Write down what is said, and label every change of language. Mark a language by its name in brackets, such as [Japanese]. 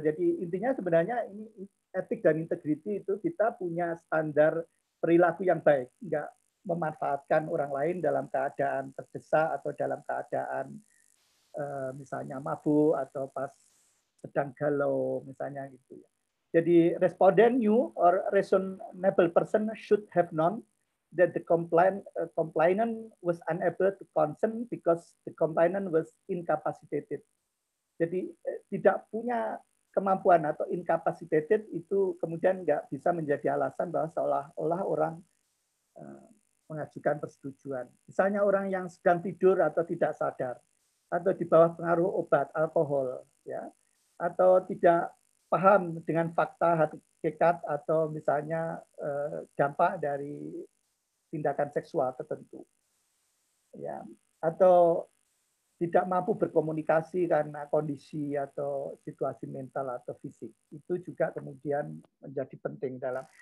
[Indonesian] Jadi intinya sebenarnya ini etik dan integriti itu kita punya standar perilaku yang baik, enggak memanfaatkan orang lain dalam keadaan terdesak atau dalam keadaan misalnya mabuk atau pas sedang galau misalnya gitu ya. Jadi responden [English] new or reasonable person should have known that the complainant was unable to consent because the complainant was incapacitated. [Indonesian] Jadi tidak punya kemampuan atau incapacitated itu kemudian nggak bisa menjadi alasan bahwa seolah-olah orang mengajukan persetujuan. Misalnya orang yang sedang tidur atau tidak sadar atau di bawah pengaruh obat alkohol, ya, atau tidak paham dengan fakta hakikat atau misalnya dampak dari tindakan seksual tertentu, ya, atau tidak mampu berkomunikasi karena kondisi atau situasi mental atau fisik, itu juga kemudian menjadi penting dalam.